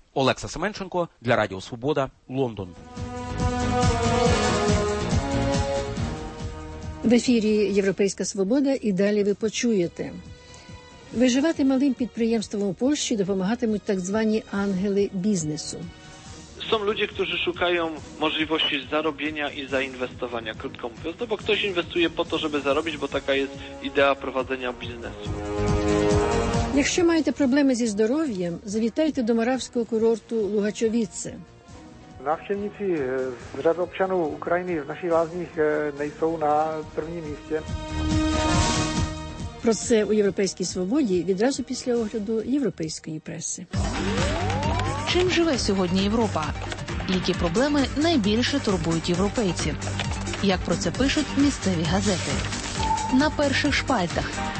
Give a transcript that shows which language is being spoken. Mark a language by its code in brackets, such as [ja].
[uk] Олекса Семенченко для Радіо Свобода, Лондон. В ефірі «Європейська свобода» і далі ви почуєте. Виживати малим підприємством у Польщі допомагатимуть так звані ангели бізнесу. [pl] Są ludzie, którzy szukają możliwości zarobienia i zainwestowania, krótko mówiąc, no bo ktoś inwestuje po to, żeby zarobić, bo taka jest idea prowadzenia biznesu. [uk] Якщо маєте проблеми зі здоров'ям, завітайте до Моравського курорту Лугачовице. [cs] Návštěvníci z řad občanů Ukrajiny v našich lázních nejsou na prvním místě. [uk] Про це у Європейській свободі відразу після огляду європейської преси. Чим живе сьогодні Європа? Які проблеми найбільше турбують європейців? Як про це пишуть місцеві газети? На перших шпальтах.